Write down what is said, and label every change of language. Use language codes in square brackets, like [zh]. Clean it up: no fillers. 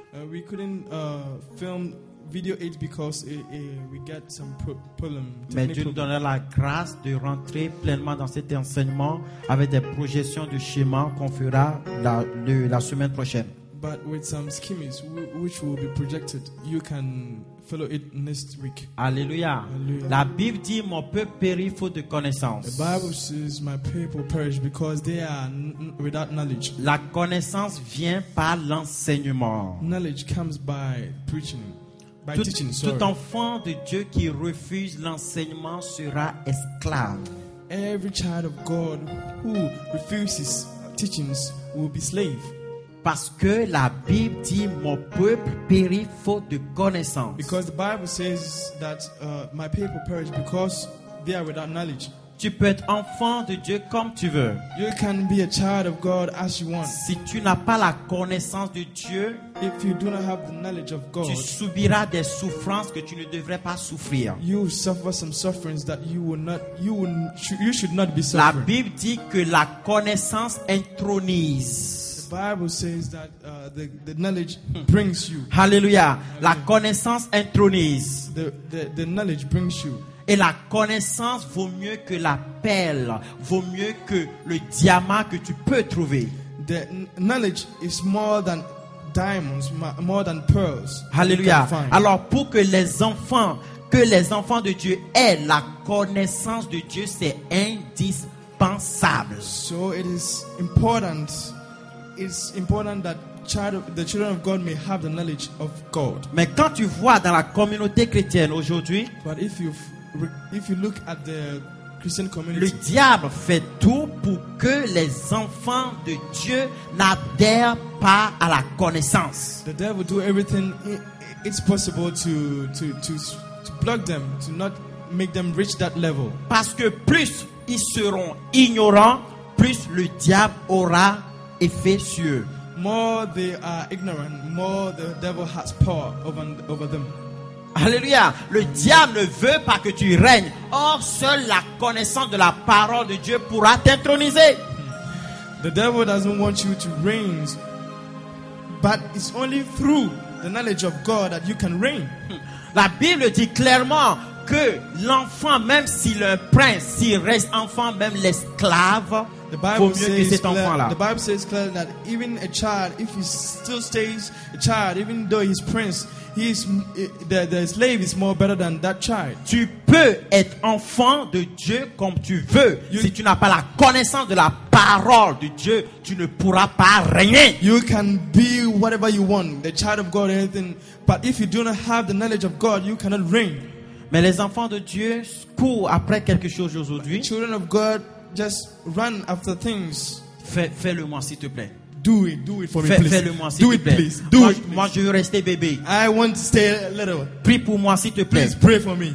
[en] We couldn't film video 8 because we got some problem. [fr] Mais Dieu nous donnait la grâce de rentrer pleinement dans cet enseignement avec des projections de schéma qu'on fera la semaine prochaine. [en] But with some schemes which will be projected, you can follow it next week. Alléluia. [fr] La Bible dit mon peuple périt faute de connaissance. [en] The Bible says my people perish because they are without knowledge. [fr] La connaissance vient par l'enseignement. [en] Knowledge comes by preaching. [fr] Tout enfant de Dieu qui refuse l'enseignement sera esclave. [en] Every child of God who refuses teachings will be slave. [fr] Parce que la Bible dit mon peuple périt faute de connaissance. [en] Because the Bible says that my people perish because they are without knowledge. [fr] Tu peux être enfant de Dieu comme tu veux. [en] You can be a child of God as you want. [fr] Si tu n'as pas la connaissance de Dieu, [en] if you do not have the knowledge of God, [fr] tu subiras des souffrances que tu ne devrais pas souffrir. [en] You will suffer some sufferings that you should not be suffering. [fr] La Bible dit que la connaissance intronise. [en] The Bible says that the knowledge brings you. [fr] Hallelujah. La connaissance intronise. [en] The knowledge brings you. [fr] Et la connaissance vaut mieux que la perle, vaut mieux que le diamant que tu peux trouver. [en] The knowledge is more than diamonds, more than pearls. Hallelujah. [fr] Alors pour que les enfants de Dieu aient la connaissance de Dieu, c'est indispensable. [en] So it is important. It's important that the children of God may have the knowledge of God. [fr] Mais quand tu vois dans la communauté chrétienne aujourd'hui, [en] but if you look at the Christian community, [fr] le diable fait tout pour que les enfants de Dieu n'adhèrent pas à la connaissance. [en] The devil do everything it's possible to block them, to not make them reach that level. [fr] Parce que plus ils seront ignorants, plus le diable aura effet sur eux. [en] More they are ignorant, more the devil has power over them. Alléluia. [fr] Le diable ne veut pas que tu règnes. Or, seule la connaissance de la parole de Dieu pourra t'introniser. [en] The devil doesn't want you to reign, but it's only through the knowledge of God that you can reign. [fr] La Bible dit clairement que l'enfant, même s'il est un prince, s'il reste enfant, même l'esclave, [en] the Bible [fr] faut mieux [en] says [fr] que cet enfant-là. [en] The Bible says clearly that even a child, if he still stays a child, even though he's prince, the slave is more better than that child. [fr] Tu peux être enfant de Dieu comme tu veux. Si tu n'as pas la connaissance de la parole de Dieu, tu ne pourras pas régner. [en] You can be whatever you want, the child of God, anything. But if you do not have the knowledge of God, you cannot reign. [fr] Mais les enfants de Dieu courent après quelque chose aujourd'hui. [en] Children of God just run after things. [fr] Fais-le moi s'il te plaît. [en] Do it for me, please. [fr] Fais-le moi s'il te plaît. [en] Do it, please. [fr] Moi je veux rester bébé. [en] I want to stay a little. [fr] Prie pour moi s'il te plaît. [en] Please pray for me.